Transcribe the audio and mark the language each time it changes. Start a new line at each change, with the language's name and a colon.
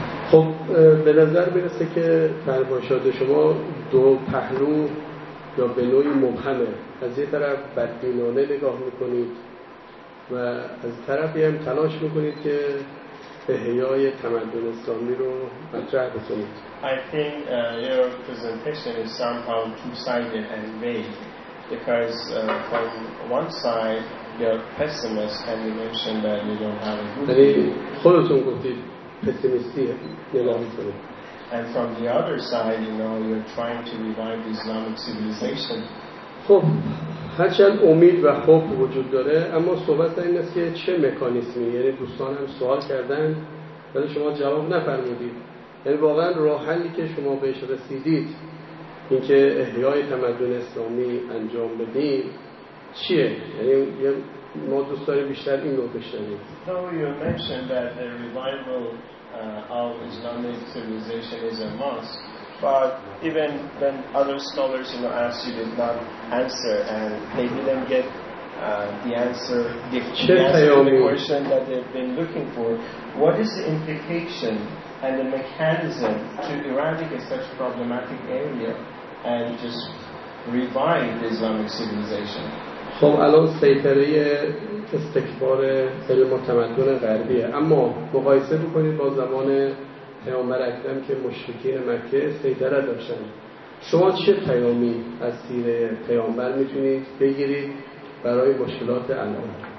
Persian: خب به نظر میرسه که فرمایشات شما دو پهلو یا به نوعی مبهمه. از یه طرف بدبینانه نگاه میکنید و از طرفی هم تلاش میکنید که احیای تمدن اسلامی رو مطرح بکنید.
English: I think your presentation is somehow two-sided and vague. Because from one side you're pessimist and you mentioned that you don't have a good view. And from the other side, you know, you're trying to revive the Islamic civilization.
Persian: خب هرچند امید و خوف وجود داره، اما صحبت این است که چه مکانیزمی. یعنی دوستان هم سوال کردن ولی شما جواب نفرمودید. یعنی واقعا راه حلی که شما بهش رسیدید، اینکه احیای تمدن اسلامی انجام بدیم، چیه؟ یعنی ما دوست داریم بیشتر این رو بشنویم.
English: So you mentioned that the revival of Islamic civilization is a must, but even when other scholars, you know, ask you, did not answer and they didn't get the answer, the question that they've been looking for. What is the implication and the mechanism to eradicate such problematic area and just revive the Islamic civilization?
Persian: خب الان سیطره استکبار علم و تمدن غربیه، اما مقایسه بکنید با زمان پیامبر اکرم که مشرکین مکه سیطره داشتن. شما چه پیامی از سیر پیامبر میتونید بگیرید برای مشکلات الان؟